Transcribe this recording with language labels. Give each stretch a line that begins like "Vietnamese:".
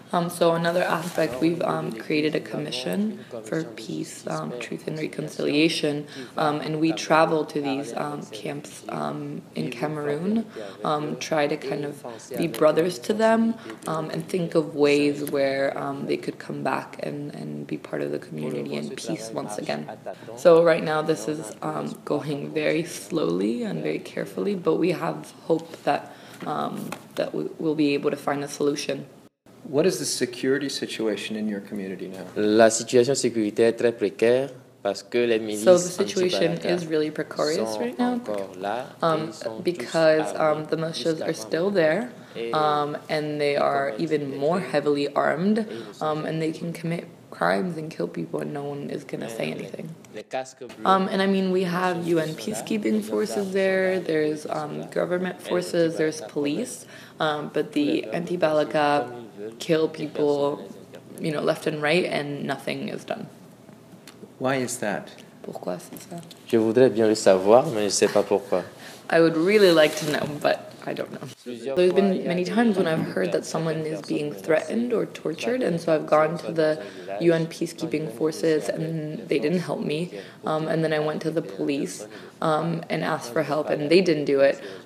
English: So another aspect, we've created a commission for peace, truth, and reconciliation, and we travel to these camps in Cameroon, try to kind of be brothers to them, and think of ways where they could come back and be part of the community in peace once again. So right now this is going very slowly and very carefully, but we have hope that that we'll be able to find a solution. What is the security situation in your community now?
French: La situation sécuritaire est très précaire parce que les milices.
English: So the situation is really precarious right now. Because the militias are still there, and they are even more heavily armed, and they can commit crimes and kill people, and no one is going to say anything. And I mean, we have UN peacekeeping forces there, there's government forces, there's police, but the anti-balaka kill people, you know, left and right, and nothing is done. Why is that?
French: Pourquoi c'est ça? Je voudrais bien le savoir, mais je sais pas pourquoi.
English: I would really like to know, but I don't know. There's been many times when I've heard that someone is being threatened or tortured, and so I've gone to the UN peacekeeping forces, and they didn't help me. And then I went to the police and asked for help, and they didn't do it.